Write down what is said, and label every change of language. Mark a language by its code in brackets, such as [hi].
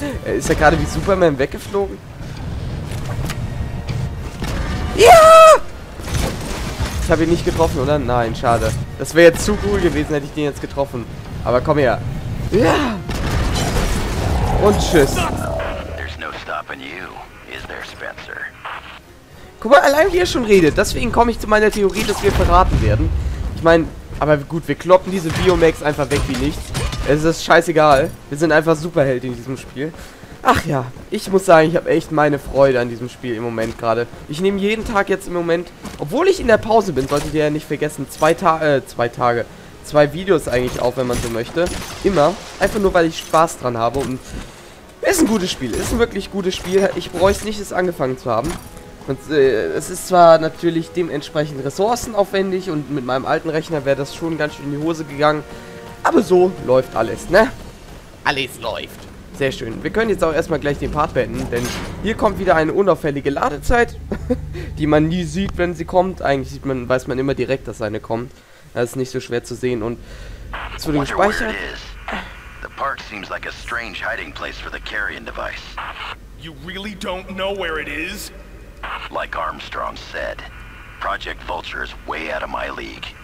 [de] Ist er gerade wie Superman weggeflogen? Ja! Ich habe ihn nicht getroffen, oder? Nein, schade. Das wäre jetzt zu cool gewesen, hätte ich den jetzt getroffen. Aber komm her. Ja! Und tschüss. [en] There's no stopping you, is there, Spencer? [de] Guck mal, allein wie er schon redet. Deswegen komme ich zu meiner Theorie, dass wir verraten werden. Ich meine, aber gut, wir kloppen diese Biomax einfach weg wie nichts. Es ist scheißegal. Wir sind einfach Superheld in diesem Spiel. Ach ja, ich muss sagen, ich habe echt meine Freude an diesem Spiel im Moment gerade. Ich nehme jeden Tag jetzt im Moment, obwohl ich in der Pause bin, solltet ihr ja nicht vergessen, zwei Videos eigentlich auf, wenn man so möchte. Immer. Einfach nur, weil ich Spaß dran habe. Und es ist ein gutes Spiel. Es ist ein wirklich gutes Spiel. Ich bräuchte es nicht, es angefangen zu haben. Und es ist zwar natürlich dementsprechend ressourcenaufwendig und mit meinem alten Rechner wäre das schon ganz schön in die Hose gegangen. Aber so läuft alles, ne? Alles läuft. Sehr schön. Wir können jetzt auch erstmal gleich den Part beenden, denn hier kommt wieder eine unauffällige Ladezeit, die man nie sieht, wenn sie kommt. Eigentlich sieht man, weiß man immer direkt, dass eine kommt. Das ist nicht so schwer zu sehen. Und zu dem Speicher. [en] The park seems like a strange hiding place for the carrying device. You really don't know where it is? Like Armstrong said, Project Vulture is way out of my league.